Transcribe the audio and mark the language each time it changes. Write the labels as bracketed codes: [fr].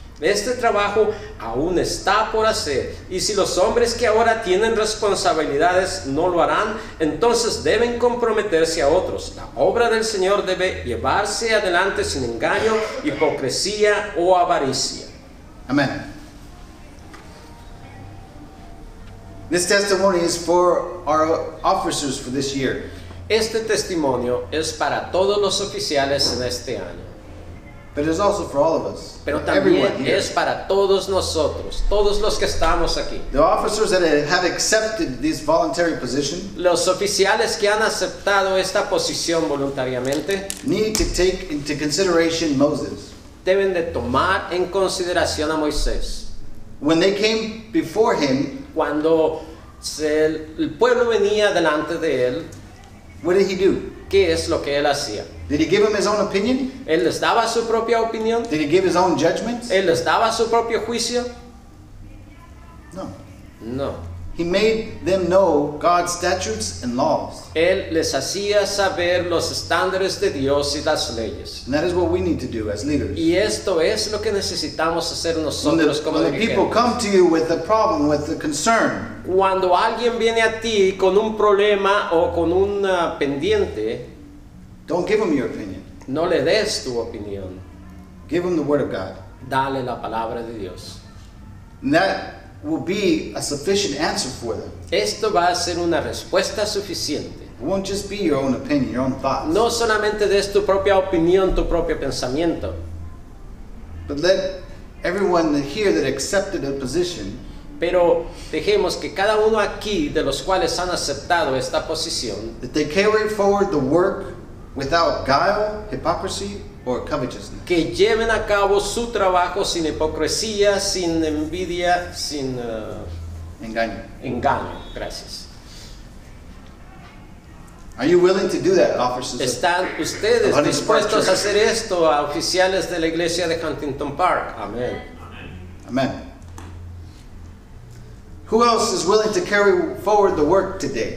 [es] Este trabajo aún está por hacer, y si los hombres que ahora tienen responsabilidades no lo harán, entonces deben comprometerse a otros. La obra del Señor debe llevarse adelante sin engaño, hipocresía o avaricia. Amén. [en] This testimony is for our officers for this year. [es] Este testimonio es para todos los oficiales en este año. [en] But it's also for all of us. [es] Pero también es para todos nosotros, todos los que estamos aquí. [en] The officers that have accepted this voluntary position. [es] Los oficiales que han aceptado esta posición voluntariamente. [en] Need to take into consideration Moses. [es] Deben de tomar en consideración a Moisés. [en] When they came before him. [es] Cuando el pueblo venía delante de él, [en] what did he do? [es] ¿Qué es lo que él hacía? [en] Did he give them his own opinion? [es] ¿Él les daba su propia opinión? [en] Did he give his own judgments? [es] ¿Él les daba su propio juicio? [en] No. [es] No. [en] He made them know God's statutes and laws. [es] Él les hacía saber los estándares de Dios y las leyes. [en] And that is what we need to do as leaders. [es] Y esto es lo que necesitamos hacer nosotros como dirigentes. [en] When the people come to you with a problem, with a concern. [es] Cuando alguien viene a ti con un problema o con una pendiente. [en] Don't give them your opinion. [es] No le des tu opinión. [en] Give them the word of God. [es] Dale la palabra de Dios. [en] Will be a sufficient answer for them. [es] Esto va a ser una respuesta suficiente. [en] won't just be your own opinion, your own thoughts. [es] No solamente des tu propia opinión, tu propio pensamiento. [en] But let everyone here that accepted a position. [es] Pero dejemos que cada uno aquí de los cuales han aceptado esta posición. [en] That they carry forward the work without guile, hypocrisy, or covetousness. [es] Que lleven a cabo su trabajo sin hipocresía, sin envidia, sin engaño. Engaño. Gracias. [en] Are you willing to do that, officers? [es] ¿Están ustedes dispuestos a hacer esto, a oficiales de la iglesia de Huntington Park? Amén. Amén. [en] Who else is willing to carry forward the work today?